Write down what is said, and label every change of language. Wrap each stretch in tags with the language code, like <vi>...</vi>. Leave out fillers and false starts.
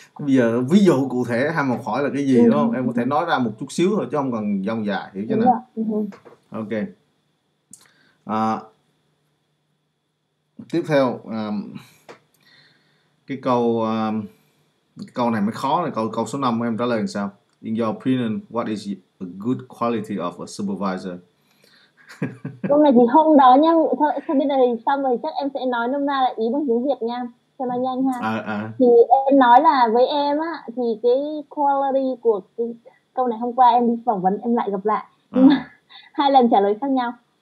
<vi>Bây giờ ví dụ cụ thể ham học hỏi là cái gì, đúng không? Em có thể nói ra một chút xíu thôi chứ không cần dông dài, hiểu chưa nào? Ok. Tiếp theo cái câu này mới khó này, câu câu số 5 em trả lời làm sao?</vi> <en>In your opinion, what is a good quality of a</en> <vi>Câu này thì hôm đó nha, sau bên này xong rồi chắc em sẽ nói nôm na lại ý bằng tiếng Việt nha, cho nó nhanh ha.</vi> <en>supervisor?</en> <vi>Thì em nói là với em á, thì cái quality của cái câu này hôm qua em đi phỏng vấn em lại gặp lại, nhưng mà hai lần trả lời khác nhau.</vi>